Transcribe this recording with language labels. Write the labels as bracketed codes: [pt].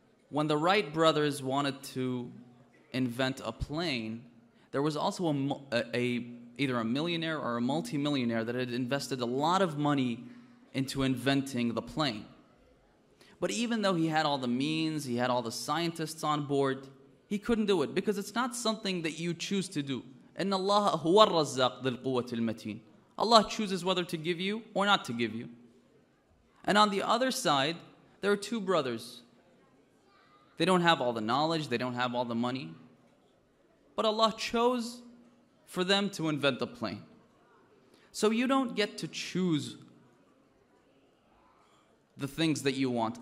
[en] When the Wright brothers wanted to invent a plane, there was also either a millionaire or a multimillionaire that had invested a lot of money into inventing the plane. But even though he had all the means, he had all the scientists on board, He couldn't do it because it's not something that you choose to do. [ar] إن الله هو الرزاق ذو القوة المتين. [en] Allah chooses whether to give you or not to give you. And on the other side, there are two brothers. They don't have all the knowledge, they don't have all the money. But Allah chose for them to invent the plane. So you don't get to choose the things that you want.